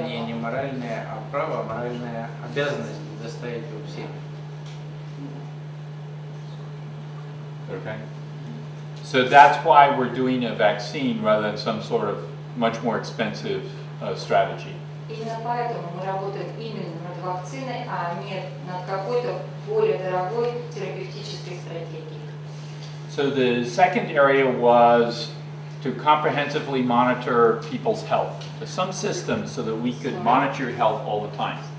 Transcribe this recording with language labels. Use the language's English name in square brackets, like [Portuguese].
[Russian] Скорее не моральное, а право, а моральная обязанность доставить его всем. [English] Okay. So that's why we're doing a vaccine rather than some sort of much more expensive strategy. [Russian] Именно поэтому мы работаем именно над вакциной, а не над какой-то более дорогой терапевтической стратегией. [English] So the second area was to comprehensively monitor people's health. Some systems so that we could monitor your health all the time.